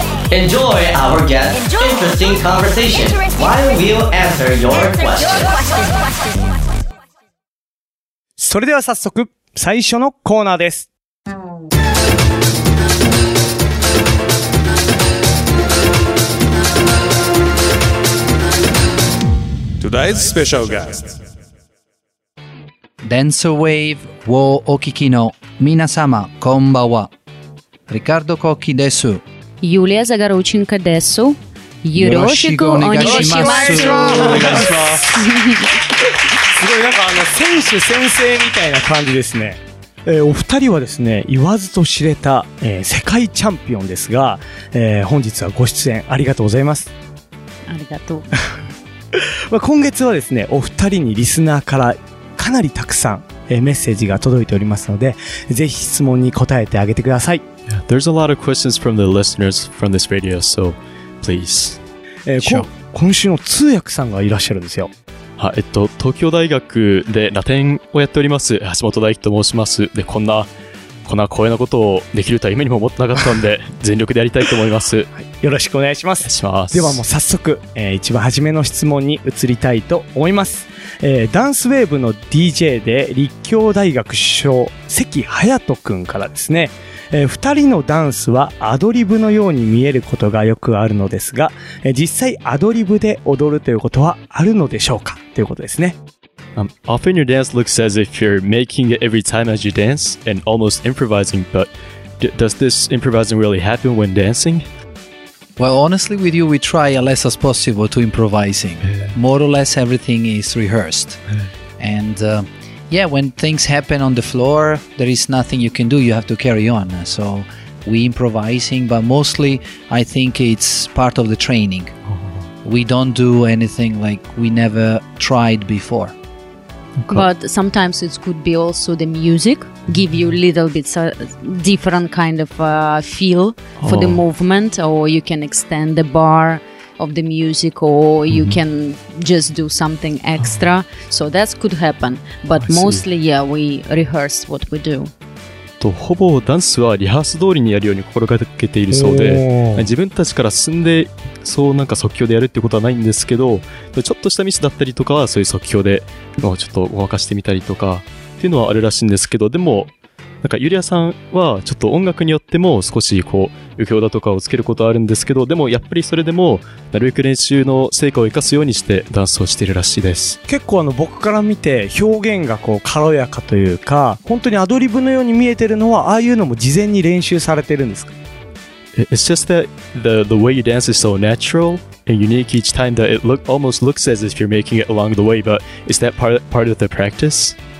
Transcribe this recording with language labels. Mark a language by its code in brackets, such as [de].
[en] Enjoy our guest's interesting conversation while we'll answer your questions. [ja] それでは早速最初のコーナーです。 [en] Today's special guest. [ja] Dance Wave をお聞きの皆様こんばんは。 Ricardo Cocchi です。 Yulia Zagaruchenko です。よろしくお願いします。お願いします。すごいなんか選手先生みたいな感じですね。お二人はですね、言わずと知れた、世界チャンピオンですが、本日はご出演ありがとうございます。ありがとう。まあ今月はですね、お二人にリスナーからかなりたくさん、メッセージが届いておりますので、ぜひ質問に答えてあげてください。 [en] There's a lot of questions from the listeners from this radio, so please. [ja] 今週の通訳さんがいらっしゃるんですよ。は、東京大学でラテンをやっております橋本大輝と申します。で、こんな光栄なことをできるとは夢にも思ってなかったんで、全力でやりたいと思います。よろしくお願いします。します。ではもう早速、一番初めの質問に移りたいと思います。ダンスウェーブの DJ で立教大学主将関隼人くんからですね、二人のダンスはアドリブのように見えることがよくあるのですが、実際アドリブで踊るということはあるのでしょうかということですね。 [en] Often your dance looks as if you're making it every time as you dance and almost improvising, but does this improvising really happen when dancing? Well, honestly with you, we try as less as possible to improvising. More or less everything is rehearsed. And, yeah, when things happen on the floor, there is nothing you can do. You have to carry on. So we improvising, but mostly I think it's part of the training. We don't do anything like we never tried before. But sometimes it could be also the music give you a little bit different kind of feel for the movement, or you can extend the bar of the music, or you can just do something extra. So that could happen. But mostly, yeah, we rehearse what we do. [ja] とほぼダンスはリハース通りにやるように心がけているそうで、自分たちから進んでそうなんか即興でやるってことはないんですけど、ちょっとしたミスだったりとかはそういう即興でちょっとごまかしてみたりとかっていうのはあるらしいんですけど、でもなんかユリアさんはちょっと音楽によっても少しこう余興だとかをつけることはあるんですけど、でもやっぱりそれでもなるべく練習の成果を生かすようにしてダンスをしているらしいです。結構僕から見て表現がこう軽やかというか、本当にアドリブのように見えてるのは、ああいうのも事前に練習されてるんですか？ [en] It's just that the way you dance is so natural and unique each time that it almost looks as if you're making it along the way, but is that part of the practice?